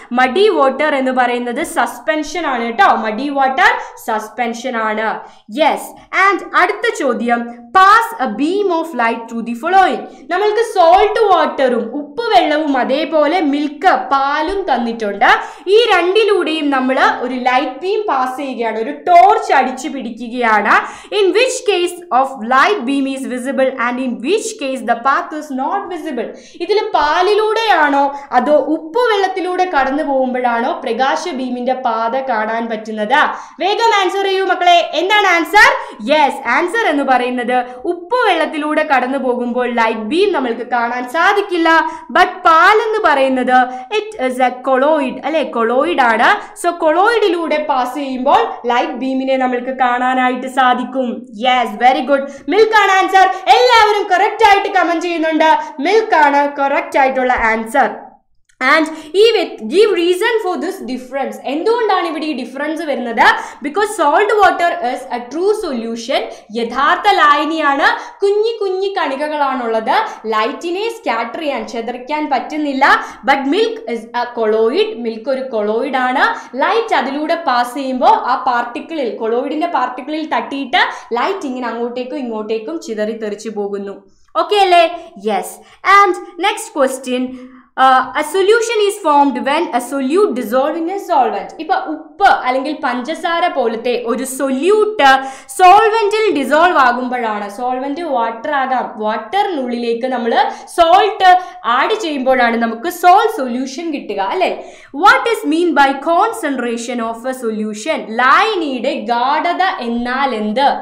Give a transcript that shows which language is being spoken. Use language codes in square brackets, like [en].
[ml] മഡി water എന്ന് പറയുന്നത് suspension ആണ് കേട്ടോ, മഡി വാട്ടർ സസ്പെൻഷൻ ആണ്. യെസ്. [en] and [ml] അടുത്ത ചോദ്യം, [en] Pass a beam of light through the following. [ml] നമ്മൾക്ക് സോൾട്ട് വാട്ടറും ഉപ്പ് വെള്ളവും അതേപോലെ മിൽക്ക്, പാലും തന്നിട്ടുണ്ട്. ഈ രണ്ടിലൂടെയും നമ്മൾ ഒരു ലൈറ്റ് ബീം പാസ് ചെയ്യുകയാണ്, ഒരു ടോർച്ച് അടിച്ചു പിടിക്കുകയാണ്. [en] In which case of light beam is visible and in which case the path is not visible. [ml] ഇതില് പാലിലൂടെയാണോ അതോ ഉപ്പ് വെള്ളത്തിലൂടെ കടന്നു പോകുമ്പോഴാണോ പ്രകാശ ബീമിന്റെ പാത കാണാൻ പറ്റുന്നത്? വേഗം ആൻസർ ചെയ്യൂ മക്കളെ. എന്താണ് ആൻസർ? യെസ്, ആൻസർ എന്ന് പറയുന്നത് ഉപ്പ് വെള്ളത്തിലൂടെ കടന്നു പോകുമ്പോൾ ലൈറ്റ് ബീം നമ്മൾക്ക് കാണാൻ സാധിക്കില്ല. ബട്ട് പാൽ എന്ന് പറയുന്നത് [en] it is a colloid [ml] അല്ലെ, കൊളോയിഡ് ആണ്. സോ കൊളോയിഡിലൂടെ പാസ് ചെയ്യുമ്പോൾ ലൈറ്റ് ബീമിനെ നമ്മൾക്ക് കാണാനായിട്ട് സാധിക്കും. Yes, very good. മിൽക്ക് ആണ് ആൻസർ. എല്ലാവരും കറക്റ്റ് ആയിട്ട് കമന്റ് ചെയ്യുന്നുണ്ട്, മിൽക്ക് ആണ് കറക്റ്റ് ആയിട്ടുള്ള answer. [en] And give reason for this difference. [ml] എന്തുകൊണ്ടാണ് ഇവിടെ ഈ ഡിഫറൻസ് വരുന്നത്? [en] because salt water is a true solution, [ml] യഥാർത്ഥ ലായനിയാണ്. കുഞ്ഞി കുഞ്ഞി കണികകളാണുള്ളത്, ലൈറ്റിനെ സ്കാറ്റർ ചെയ്യാൻ, ചെതറിക്കാൻ പറ്റുന്നില്ല. [en] but milk is a colloid, [ml] milk ഒരു കൊളോയിഡ് ആണ്. ലൈറ്റ് അതിലൂടെ പാസ് ചെയ്യുമ്പോൾ ആ പാർട്ടിക്കിളിൽ, കൊളോയിഡിന്റെ പാർട്ടിക്കിളിൽ തട്ടിയിട്ട് ലൈറ്റ് ഇങ്ങനെ അങ്ങോട്ടേക്കും ഇങ്ങോട്ടേക്കും ചിതറി തെറിച്ചു പോകുന്നു. ഓക്കെ അല്ലേ? Yes. [en] And next question, A solution is formed when a solute dissolves in a solvent. [ml] ഇപ്പ ഉപ്പ് അല്ലെങ്കിൽ പഞ്ചസാര പോലത്തെ ഒരു സൊല്യൂട്ട് സോൾവെന്റിൽ ഡിസോൾവ് ആകുമ്പോഴാണ്, സോൾവെന്റ് വാട്ടർ ആകാം, വാട്ടറിനുള്ളിലേക്ക് നമ്മൾ സോൾട്ട് ആഡ് ചെയ്യുമ്പോഴാണ് നമുക്ക് സോൾട്ട് സൊല്യൂഷൻ കിട്ടുക അല്ലെ. [en] What is mean by concentration of a solution? [ml] ലായനിയുടെ ഗാഢത എന്നാൽ എന്ത്?